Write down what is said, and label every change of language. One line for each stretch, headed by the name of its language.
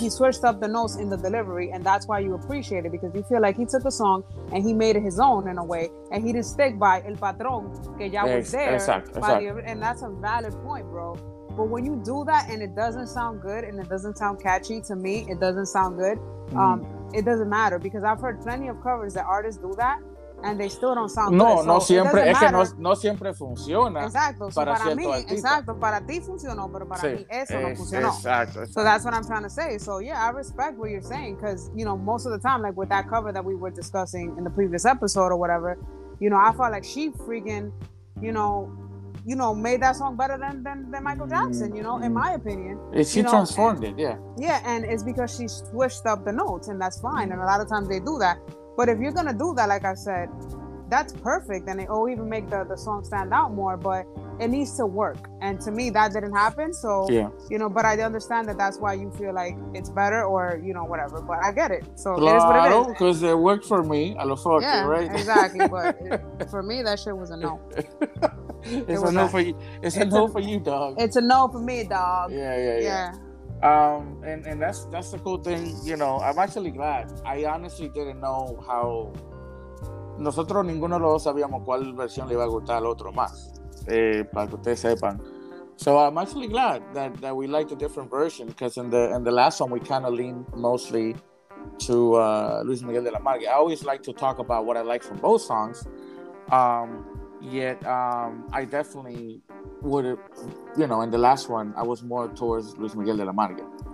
English: He switched up the notes in the delivery, and that's why you appreciate it, because you feel like he took a song, and he made it his own in a way, and he didn't stick by El Patron,
Spanish: que ya
English: was there. And that's a valid point, bro. But when you do that, and it doesn't sound good, and it doesn't sound catchy to me, it doesn't sound good, it doesn't matter, because I've heard plenty of covers that artists do that, and they still don't sound good.
Spanish: No, no siempre, es que no siempre funciona. Exacto, para mí, exacto, para ti funcionó, pero para mí eso no funcionó. Exacto.
English: So that's what I'm trying to say. So yeah, I respect what you're saying, because, you know, most of the time, like with that cover that we were discussing in the previous episode or whatever, you know, I felt like she freaking, you know, made that song better than Michael Jackson, you know, in my opinion. And she transformed it, yeah. Yeah, and it's because she switched up the notes, and that's fine. And a lot of times they do that. But if you're going to do that, like I said, that's perfect. And it will even make the song stand out more. But it needs to work. And to me, that didn't happen. So, you know, but I understand that that's why you feel like it's better or, you know, whatever. But I get it. So
Spanish: claro,
English: it is what it is. Because it worked for me. I love fucking, right? Exactly. But for me, that shit was a no. It's a no for you. It's a no for you, dog. It's a no for me, dog. Yeah. And that's the cool thing, you know. I'm actually glad. I honestly didn't know how.
Spanish: Nosotros ninguno de los dos sabíamos cuál versión le iba a gustar al otro más, para que ustedes sepan.
English: So I'm actually glad that we liked a different version, because in the last one we kind of leaned mostly to Luis Miguel de la Marga. I always like to talk about what I like from both songs. Yet I definitely would, you know, in the last one I was more towards Luis Miguel de la Marga.